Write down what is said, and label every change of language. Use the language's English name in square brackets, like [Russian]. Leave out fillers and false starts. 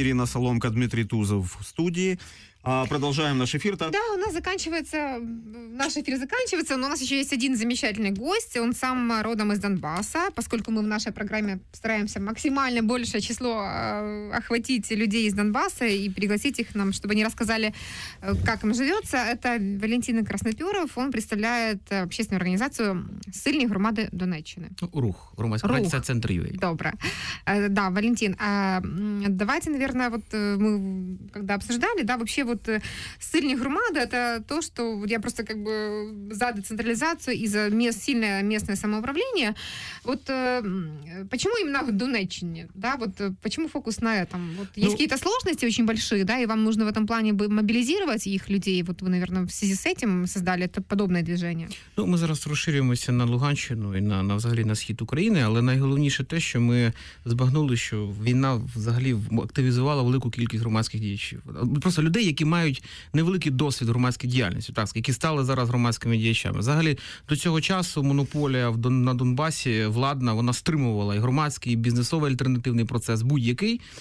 [Ukrainian] Ірина Соломка, Дмитрий Тузов в студії. [Russian] Продолжаем наш эфир. Да, у нас заканчивается, наш эфир заканчивается, но у нас еще есть один замечательный гость, он сам родом из Донбасса, поскольку мы в нашей программе стараемся максимально большее число охватить людей из Донбасса и пригласить их нам, чтобы они рассказали, как им живется. Это Валентин Красноперов, он представляет общественную организацию «Сильні громади Донеччини». [Ukrainian] Рух, громадська організація «Центр ЮА». Добре. [Russian] Да, Валентин, давайте, наверное, вот мы когда обсуждали, да, вообще вот сильні громади, это то, что я просто как бы за децентрализацию и за сильное местное самоуправление. Вот почему именно в Донеччине? Да, вот почему фокус на этом? Вот, ну, есть какие-то сложности очень большие, да, и вам нужно в этом плане мобилизировать их людей. Вот вы, наверное, в связи с этим создали это подобное движение. [Ukrainian] Ну, мы зараз розширюємося на Луганщину и на взагалі на схід України, але найголовніше те, що ми збагнули, що війна взагалі активізувала велику кількість громадських діячів. Просто людей, які мають невеликий досвід громадської діяльності, так, які стали зараз громадськими діячами. Взагалі, до цього часу монополія на Донбасі, владна, вона стримувала і громадський, і бізнесовий альтернативний процес, будь-який.